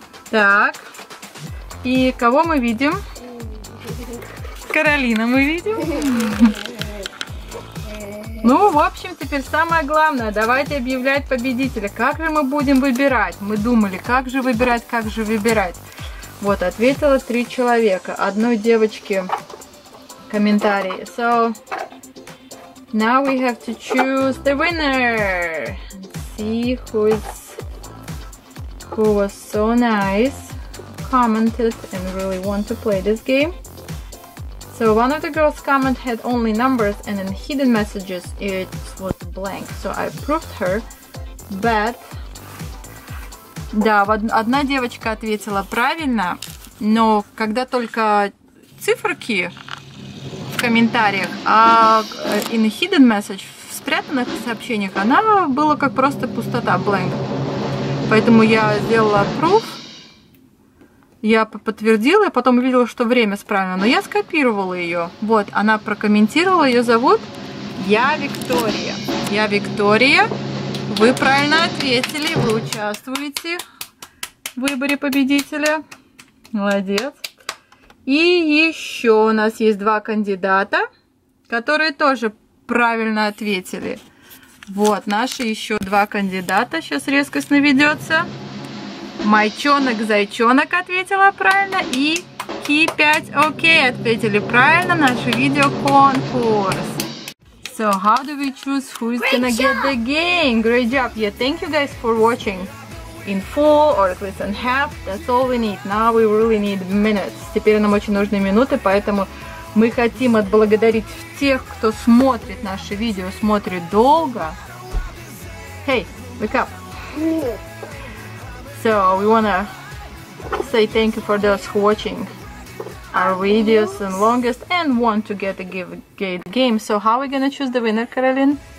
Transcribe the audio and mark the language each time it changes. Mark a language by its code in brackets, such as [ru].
[ru] Так. И кого мы видим? Каролина мы видим. Ну, в общем, теперь самое главное, давайте объявлять победителя. Как же мы будем выбирать? Мы думали, как же выбирать, как же выбирать. Вот, ответило 3 человека. Одной девочке комментарий. [en] So, now we have to choose the winner. See who was so nice, commented and really want to play this game. So one of the girls' comment had only numbers, and in hidden messages it was blank. So I proved her, but... [ru] Да, одна девочка ответила правильно, но когда только циферки в комментариях, а [en] in hidden message, [ru] в спрятанных сообщениях, она была как просто пустота, blank. Поэтому я сделала proof. Я подтвердила, и потом увидела, что время справилось. Но я скопировала ее. Вот, она прокомментировала, ее зовут Я Виктория. Я Виктория. Вы правильно ответили, вы участвуете в выборе победителя. Молодец. И еще у нас есть 2 кандидата, которые тоже правильно ответили. Вот, наши еще 2 кандидата. Сейчас резкость наведется. Мальчонок, зайчонок ответила правильно, и Ки5ОК ответили правильно наш видеоконкурс. [en] So how do we choose who is gonna get the game? Great job! Yeah, thank you guys for watching in full or at least in half. That's all we need. Now we really need minutes. [ru] Теперь нам очень нужны минуты, поэтому мы хотим отблагодарить тех, кто смотрит наше видео, смотрит долго. [en] Hey, wake up! So we wanna say thank you for those who watching our videos and longest and want to get a game. So how are we gonna choose the winner, Caroline?